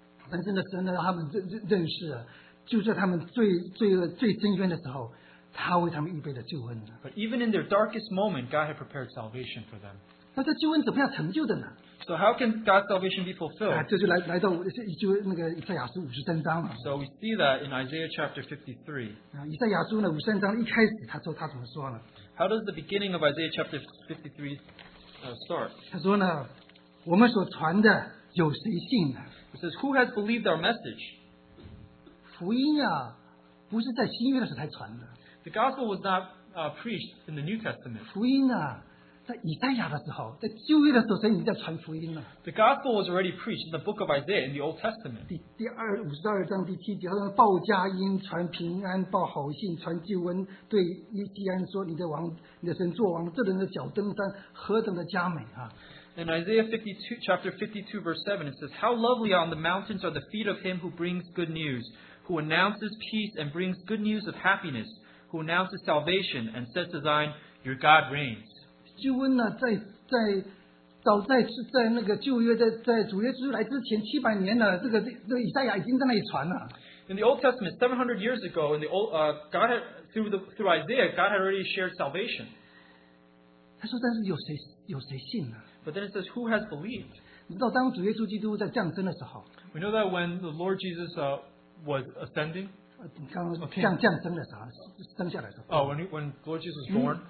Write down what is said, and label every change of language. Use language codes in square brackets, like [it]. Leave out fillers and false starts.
[zh] 但是呢，神呢，他们认识，就在他们最深渊的时候，他为他们预备了救恩。 [en] But even in their darkest moment, God had prepared salvation for them. [zh] 那这救恩怎么样成就的呢？ [en] So how can God's salvation be fulfilled? [zh] 这就来到就那个以赛亚书五十三章了。 [en] So we see that in Isaiah chapter 53. [zh] 以赛亚书呢五十三章一开始他怎么说呢？ [en] How does the beginning of Isaiah chapter 53 start? [zh] 他说呢，我们所传的有谁信呢？ [en] He says, who has believed our message? [zh] 福音啊，不是在新约的时候才传的。 [en] The gospel was not preached in the New Testament. [zh] 福音啊。在以赛亚的时候，在旧约的时候，神已经在传福音了。 [en] The gospel was already preached in the book of Isaiah in the Old Testament. [zh] 52章第七节，他说：“报佳音，传平安，报好信，传救恩，对耶西安说：你的王，你的神作王，这人的脚登山，何等的佳美啊！” [en] In Isaiah 52, chapter 52, verse 7, it says, "How lovely on the mountains are the feet of him who brings good news, who announces peace and brings good news of happiness, who announces salvation and sets to Zion, your God reigns." [zh] 救恩呢，在早在那个旧约在主耶稣来之前700年呢，这个以赛亚已经在那里传了。 [en] In the Old Testament, 700 years ago, in the old, God had, through Isaiah, God had already shared salvation. [zh] 他说, 但是有谁信呢? [en] But then it says, who has believed? [zh] 你知道当主耶稣基督在降生的时候, [en] we know that when the Lord Jesus was ascending, [zh] 刚刚降生的时候, [en] when Lord Jesus was born,